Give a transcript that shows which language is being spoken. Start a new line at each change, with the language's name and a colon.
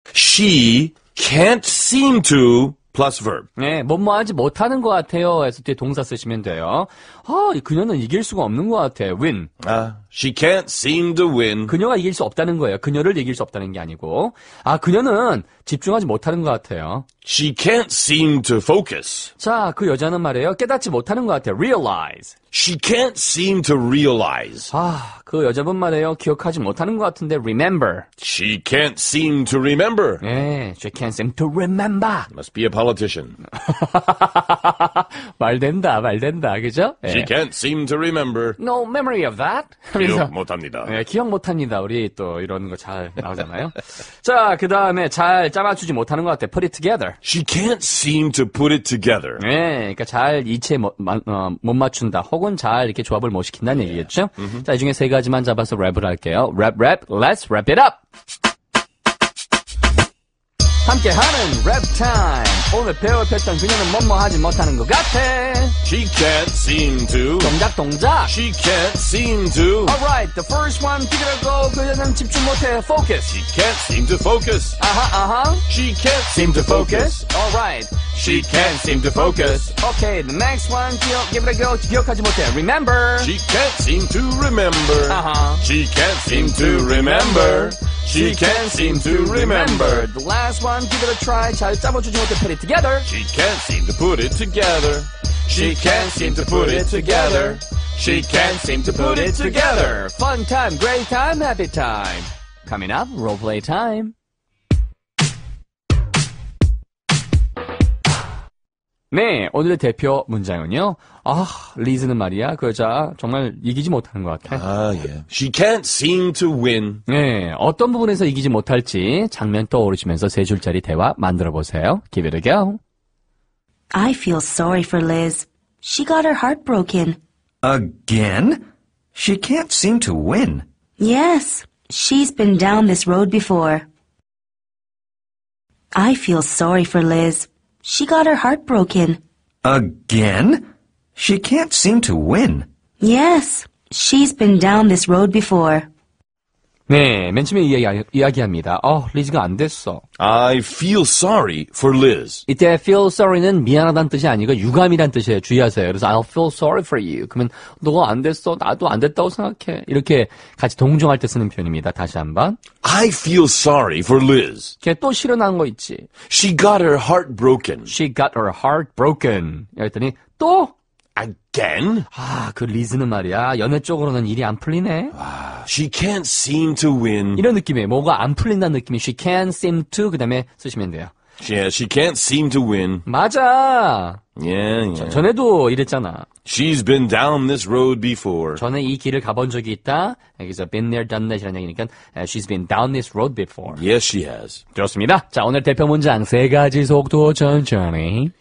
English: She can't seem to plus verb.
Korean: 네, 뭐뭐 하지 못하는 것 같아요. 해서 뒤에 동사 쓰시면 돼요. 아, 그녀는 이길 수가 없는 것 같아.
English: Win. She can't seem to win.
Korean: 그녀가 이길 수 없다는 거예요. 그녀를 이길 수 없다는 게 아니고. 아, 그녀는 집중하지 못하는 것 같아요.
English: She can't seem to focus.
Korean: 자, 그 여자는 말이에요. 깨닫지 못하는 것 같아. Realize.
English: She can't seem to realize.
Korean: 아, 그 여자분 말이에요. 기억하지 못하는 것 같은데.
English: Remember. She can't seem to remember. 네, she can't seem to remember. Must be a politician.
Korean: 말된다, 말된다, 그죠? 네.
English: She can't seem to remember. No memory of that.
Korean: 기억 못합니다. 네, 기억 못합니다. 우리 또 이런 거 잘 나오잖아요. 자, 그 다음에 잘 짜맞추지 못하는 것 같아.
English: Put it together. She can't seem to put it together.
Korean: 네, 그러니까 잘 이체 못 맞춘다. 혹은 잘 이렇게 조합을 못 시킨다는 yeah. 얘기겠죠? Mm-hmm. 자, 이 중에 세 가지만 잡아서 랩을 할게요.
English: Rap, rap, let's wrap it up!
Korean: 함께하는 랩 타임! 오늘 배웠던 그녀는 뭐뭐 하지 못하는 것 같아!
English: She can't seem to
Korean: 동작 동작!
English: She can't seem to Alright, the first one, give it a go!
Korean: 그녀는 집중 못해, focus!
English: She can't seem to focus! Uh-huh, uh-huh! She can't seem to focus! Alright! She can't seem to focus! Okay, the next one, give it a go!
Korean: 기억하지 못해, remember!
English: She can't seem to remember! Uh-huh! She can't seem to remember! She can't seem to remember. The last one, give it a try.
Korean: 잘 짜보지 못해,
English: put it together. She can't seem to put it together. She can't seem to put it together. She can't seem to put it together. Fun time, great time, happy time. Coming up, roleplay time.
Korean: 네, 오늘의 대표 문장은요. 아, 리즈는 말이야. 그 여자 정말 이기지 못하는 것 같아.
English: 아, 예. She can't seem to win.
Korean: 네, 어떤 부분에서 이기지 못할지 장면 떠오르시면서 세 줄짜리 대화 만들어보세요.
English: Give it a go. I feel sorry for Liz. She got her heart broken. Again? She can't seem to win. Yes, she's been down this road before. I feel sorry for Liz. She got her heart broken. Again? She can't seem to win. Yes, she's been down this road before.
Korean: 네, 맨 처음에 이야기합니다. 어, 리즈가 안 됐어. I feel sorry for Liz. 이때 feel sorry는 미안하다는 뜻이 아니고 유감이란 뜻이에요. 주의하세요.
English: 그래서 I'll feel sorry for you.
Korean: 그러면 너가 안 됐어. 나도 안 됐다고 생각해. 이렇게 같이 동정할 때 쓰는 표현입니다. 다시 한번.
English: I feel sorry for Liz.
Korean: 걔 또 실연한 거 있지.
English: She got her heart broken. She got her heart broken.
Korean: 이랬더니 또?
English: Again?
Korean: 아, 그 리즈는 말이야. 연애 쪽으로는 일이 안 풀리네.
English: She can't seem to win.
Korean: 이런 느낌이에요. 뭐가 안 풀린다는 느낌이.
English: She can't seem to.
Korean: 그 다음에 쓰시면 돼요.
English: Yeah, she can't seem to win.
Korean: 맞아.
English: Yeah, yeah.
Korean: 전에도 이랬잖아.
English: She's been down this road before.
Korean: 전에 이 길을 가본 적이 있다.
English: 여기서 been there, done that이라는 얘기니까 she's been down this road before. Yes, she has.
Korean: 좋습니다. 자, 오늘 대표 문장 세 가지 속도 천천히.